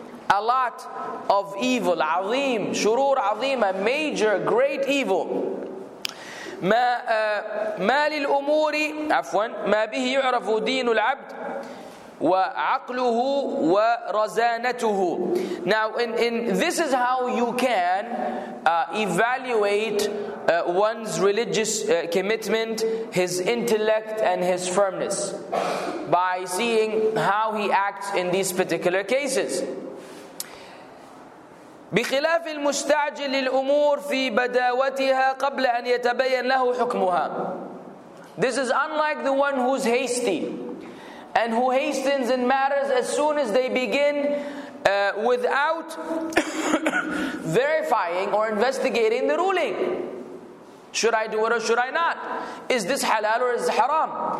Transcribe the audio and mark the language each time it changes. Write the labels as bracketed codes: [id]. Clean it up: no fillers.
[en] a lot of evil, عظيم, [ar] شرور عظيم, [en] a major, great evil. [ar] ما للأمور, عفواً, ما به يعرف دين العبد وعقله ورزانته. [en] Now, in this is how you can evaluate one's religious commitment, his intellect, and his firmness by seeing how he acts in these particular cases. [ar] بخلاف المستعجل للأمور في بداوتها قبل أن يتبين له حكمها. [en] This is unlike the one who's hasty and who hastens in matters as soon as they begin without verifying or investigating the ruling. Should I do it or should I not? Is this halal or is this haram?